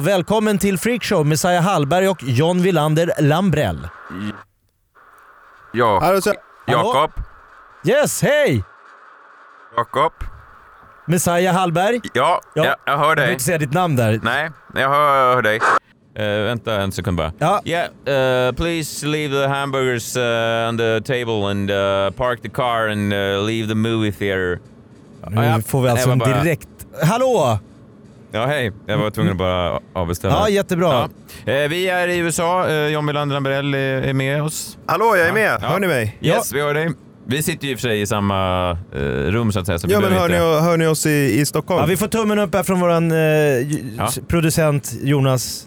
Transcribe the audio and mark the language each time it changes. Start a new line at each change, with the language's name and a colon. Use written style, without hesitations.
Swedish: Välkommen till Freak Show, Messiah Hallberg och John Villander Lambrell. Ja. Jakob. Yes, hej! Jakob. Messiah Hallberg. Ja, ja. Jag hör dig. Du vill inte säga ditt namn där. Nej, jag hör dig. Vänta en sekund bara. Ja.
English: Yeah, please leave the hamburgers on the table and park the car and leave the movie theater.
Swedish: Nu får vi alltså en direkt... Hallå! Ja, hej. Jag var tvungen att bara avbeställa. Ja, jättebra. Ja. Vi är i USA. John Villander Lambrell är med oss. Hallå, jag är med. Ja. Hör ni mig? Yes, ja. Vi hör dig. Vi sitter ju för sig i samma rum så att säga. Så ja, men hör ni oss i Stockholm? Ja, vi får tummen upp här från våran producent Jonas.